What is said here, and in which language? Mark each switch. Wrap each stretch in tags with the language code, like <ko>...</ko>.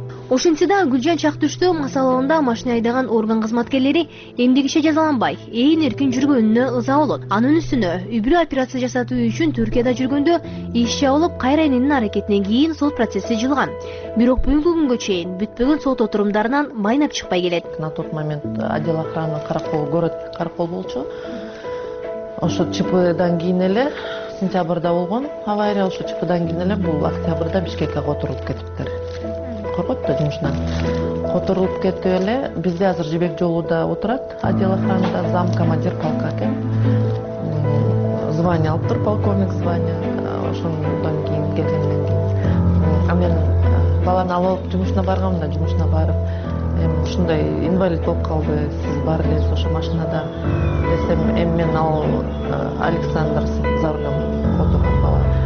<ky>Ошентсе да Гүлжан чак түштү масалында машина айдаган орган кызматкерлери эмдигише жазаланбай, ээн эркин жүргөнүнө ыза болот. Анын үстүнө үй бүлө операция жасатуу үчүн Түркияда жүргөндө иш жабылып, кайра эненин аракетинен кийин сот процесси жылган. Бирок бүгүнкү күнгө чейин бүтпөгөн сот отурумдарынан майнап чыкпай келет.</ky> <ru>На тот момент отдел охраны Каракол, город Каракол болчу.</ru> <ky>Ошо ЧПдан кийин эле сентябрда болгон авария, ошо ЧПдан кийин эле бул октябрда Бишкекке которулуп кетиптир. Коркот да жумушунан. Которулуп кетип эле бизде азыр Жибек жолуда отурат. Отдел охранада</ky> <ru>зам командир полка</ru> <ky>экен. Звание алыптыр, полковник звание. Ошондон кийин келгенден кийин мен баланы алып алып жумушуна баргам да, жумушуна барып эми ушундай инвалид болуп калды, сиз бар элеңиз ошо машинада десем, эми мен ал Александр</ky> <ru>за рулем</ru> <ky>отурган бала</ky>